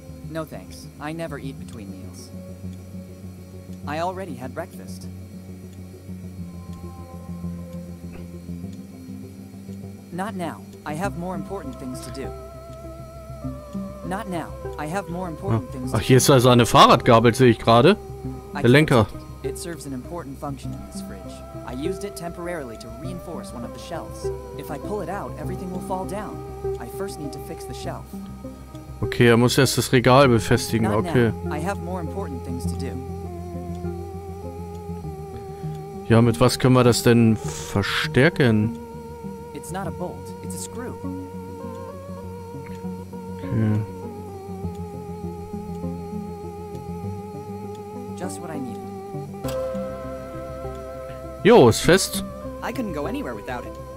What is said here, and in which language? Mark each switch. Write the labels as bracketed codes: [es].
[en] No thanks. I never eat between meals. I already had breakfast. Not now. I have more important things to do. Not now. I have more important things to do. [de] Ach, hier ist also eine Fahrradgabel, sehe ich gerade. Der Lenker. [en] It serves an important function in this fridge. I used it temporarily to reinforce one of the shelves. If I pull it out, everything will fall down. I first need to fix the shelf. [de] Okay, er muss erst das Regal befestigen, okay. [en] I have more important things to do. [de] Ja, mit was können wir das denn verstärken? [en] It's not a bolt, it's a screw. Okay. Just what I need. [de] Jo, ist fest. [en] I couldn't go anywhere without it.